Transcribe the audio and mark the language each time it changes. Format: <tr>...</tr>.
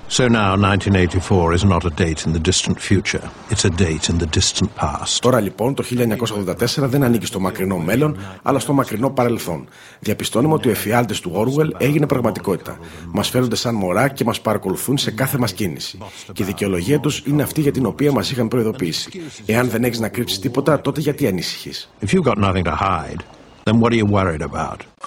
<en>So now 1984 is not a date in the distant future. It's a date in the distant past.</en> <el>Τώρα λοιπόν το 1984 δεν ανήκει στο μακρινό μέλλον, αλλά στο μακρινό παρελθόν. Διαπιστώνουμε ότι ο εφιάλτης του Orwell έγινε πραγματικότητα. Μας φέρονται σαν μωρά και μας παρακολουθούν σε κάθε μας κίνηση. Και η δικαιολογία τους είναι αυτή για την οποία μας είχαν προειδοποιήσει. Εάν δεν έχεις να κρύψεις τίποτα, τότε γιατί ανήσυχεις?</el> <en>If you've got nothing to hide, then what are you worried about?</en>